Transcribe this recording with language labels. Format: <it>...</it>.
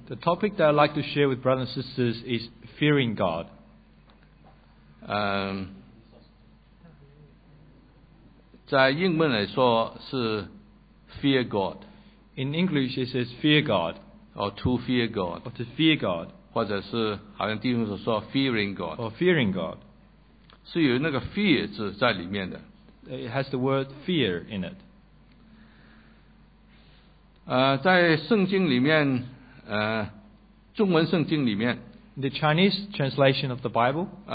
<en>The topic that I'd like to share with brothers and sisters is fearing God.</en> <zh>在英文来说是</zh> <en>fear God. In English it says fear God. Or to fear God. Or to fear God.</en> <zh>或者是好像弟兄所说</zh> <en>fearing God. Or fearing God.</en> <zh>是有那个 fear 字在里面的。</zh> <en>It has the word fear in it.</en> <zh>在圣经里面, 中文圣经里面,</zh> <en>the Chinese translation of the Bible,</en>